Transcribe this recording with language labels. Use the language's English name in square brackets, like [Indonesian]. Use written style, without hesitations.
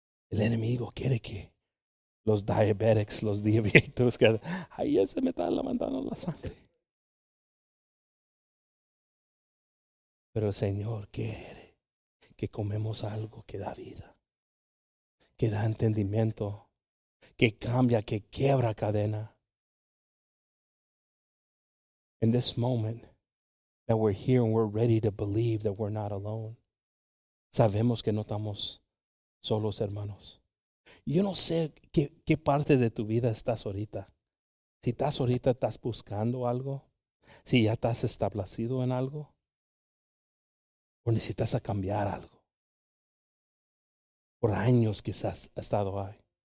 [Spanish] El enemigo quiere que los diabetics, los diabetes, que ahí ya se me están levantando la sangre. Pero el Señor quiere que comemos algo que da vida, que da entendimiento, que cambia, que quiebra cadena. [English] In this moment that we're here and we're ready to believe that we're not alone. [Spanish] Sabemos que no estamos solos, hermanos. Yo no sé qué parte de tu vida estás ahorita. Si estás ahorita, estás buscando algo. Si ya estás establecido en algo. O necesitas a cambiar algo. Por años quizás has estado ahí.